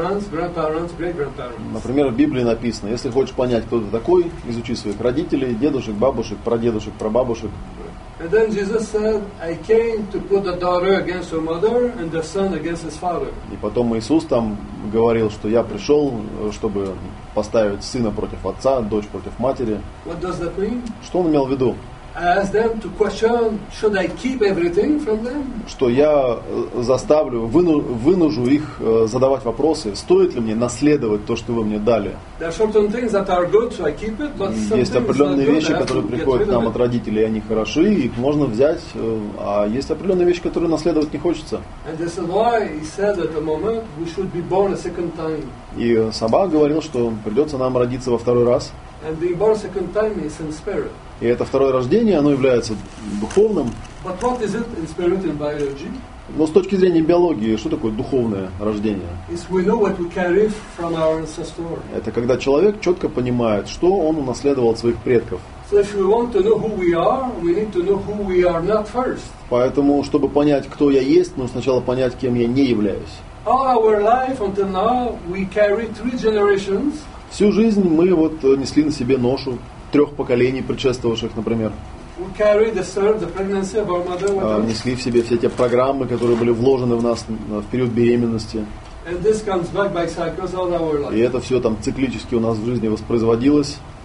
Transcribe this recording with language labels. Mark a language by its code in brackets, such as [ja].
[ru] Например, в Библии написано, если хочешь понять, кто ты такой, изучи своих родителей, дедушек, бабушек, прадедушек, прабабушек. [en] And then Jesus said, I came to put the daughter against her mother and the son against his father. [ru] И потом Иисус там говорил, что я пришел, чтобы поставить сына против отца, дочь против матери. [en] What does that mean? [ru] Что он имел в виду? [en] I asked them to question, should I keep everything from them? [ru] Что я заставлю, вынужу их задавать вопросы, стоит ли мне наследовать то, что вы мне дали? [en] There are certain things that are good, so I keep it, but some [ru] есть определенные вещи, которые приходят нам от родителей, они хороши, их можно взять, а есть определенные вещи, которые наследовать не хочется. [en] And this is why he said at the moment we should be born a second time. [ru] И Саба говорил, что придется нам родиться во второй раз. [en] And being born a second time is in spirit. [ru] И это второе рождение, оно является духовным. [en] But what is it in spirit and biology? [ru] Но с точки зрения биологии, что такое духовное рождение? [en] Is we know what we carry from our ancestors. [ru] Это когда человек четко понимает, что он унаследовал от своих предков. Поэтому, чтобы понять, кто я есть, нужно сначала понять, кем я не являюсь. [en] All our life until now, we carry three generations. [ru] Всю жизнь мы вот несли на себе ношу трех поколений предшествовавших, например. Несли в себе все те программы, которые были вложены в нас в период беременности. И это все там циклически у нас в жизни воспроизводилось.